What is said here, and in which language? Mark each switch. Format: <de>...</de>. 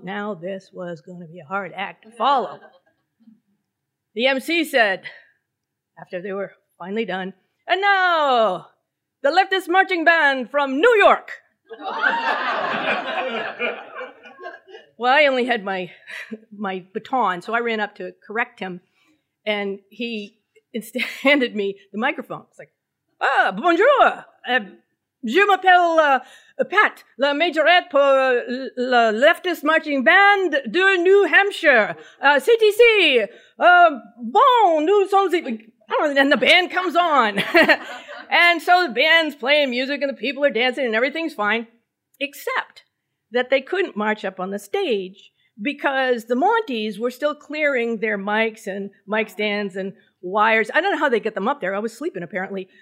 <en>Now this was going to be a hard act to follow. The MC said, after they were finally done, and now the leftist marching band from New York. Well, I only had my baton, so I ran up to correct him, and he instead handed me the microphone. It's like, ah, bonjour.</en> <fr>Je m'appelle Pat, la majorette pour la</fr> <en>leftist marching band</en> <fr>de New Hampshire, CTC. Bon, nous sommes...</fr> <en>And the band comes on. And so the band's playing music and the people are dancing and everything's fine, except that they couldn't march up on the stage because the Monties were still clearing their mics and mic stands and wires. I don't know how they get them up there. I was sleeping, apparently.</en>